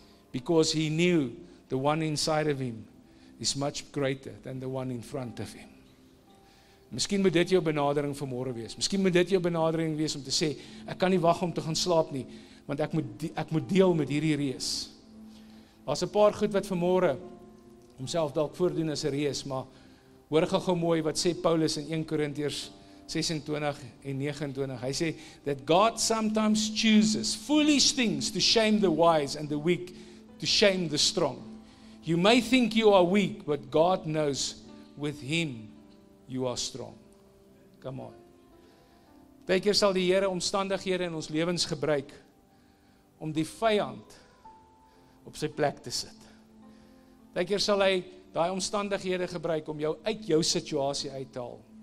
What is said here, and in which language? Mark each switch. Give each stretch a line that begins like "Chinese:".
English: Because he knew the one inside of him is much greater than the one in front of him.
Afrikaans: Miskien moet dit jou benadering vir môre wees. Miskien moet dit jou benadering wees om te sê, ek kan nie wag om te gaan slaap nie, want ek moet deel met hierdie reus. Daar's 'n paar goed wat vir môre homself dalk voordoen as 'n reus, maar hoor gou mooi wat sê Paulus in 1 Korintiërs 26 en 29. Hy sê
English: that God sometimes chooses foolish things to shame the wise and the weak to shame the strong. You may think you are weak, but God knows with him you are strong. Come on.
Afrikaans: Baie keer sal die Here omstandighede in ons lewens gebruik om die vyand op sy plek te sit. Baie keer sal hy daai omstandighede gebruik om jou uit jou situasie uit te haal.